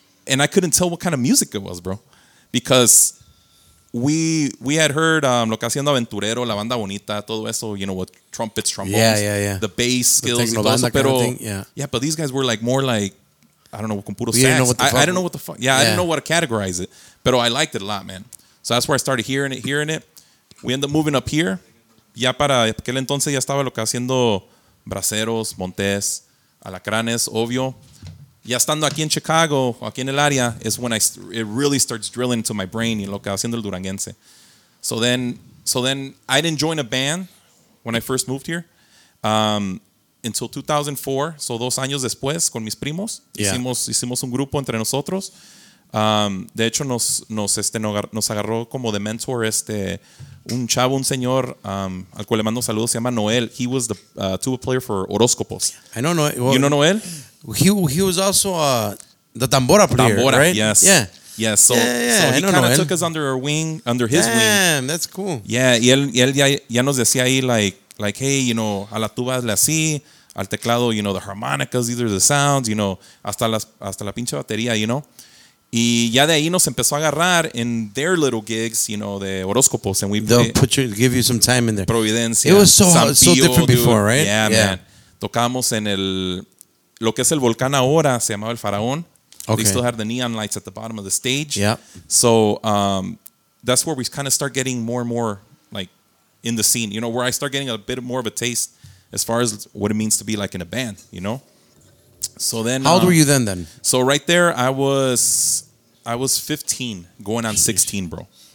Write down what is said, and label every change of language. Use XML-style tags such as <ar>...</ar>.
<en>And I couldn't tell what kind of music it was, bro. Because we had heard Lo Que Haciendo Aventurero, La Banda Bonita, todo eso, you know, with trumpets, trombones. Yeah. The bass skills. The techno banda kind of thing, yeah. Yeah, but these guys were like more like, I don't know,</en> <es>con puro sax.</es> <en>I don't know what the fuck. Yeah, I didn't know what to categorize it. But I liked it a lot, man. So that's where I started hearing it. We ended up moving up here.</en> <es>Ya para aquel entonces ya estaba Lo Que Haciendo Braceros, Montes, Alacranes, obvio. Ya estando aquí en Chicago, aquí en el área,</es> <en>is when it really starts drilling into my brain,</en> <es>lo que haciendo el duranguense.</es> <en>So then I didn't join a band when I first moved here until 2004.</en> <es>So 2 años después, con mis primos, hicimos un grupo entre nosotros. De hecho, nos agarró como de mentor un chavo, un señor, al cual le mando saludos, se llama Noel.</es> <en>He was the tuba player for Horóscopos. I know Noel. Well, you know Noel? He was also the tambora player, tambora, right? Yes. Yeah. Yes. So, yeah, so he kind of took us under our wing, under his Damn, wing. Damn, that's cool.</en> <es>Yeah. Y él ya nos decía ahí, like, hey, you know, a la tuba le así, al teclado, you know,</es> <en>the harmonicas, these are the sounds,</en> <es>you know, hasta la pinche batería, you know. Y ya de ahí nos empezó a agarrar</es> <en>in their little gigs,</en> <es>you know, the horóscopos. And</es> <en>give you some time in there. Providencia. It was so different before, right?</en> <es>Yeah, man. Tocamos en el... Lo que es el volcán ahora se llamaba el Faraón.</es> <en>Okay. They still had the neon lights at the bottom of the stage. Yeah. So that's where we kind of start getting more and more like in the scene. You know, where I start getting a bit more of a taste as far as what it means to be like in a band, you know? So then... How old were you then? So right there, I was 15 going on 16, bro.</en>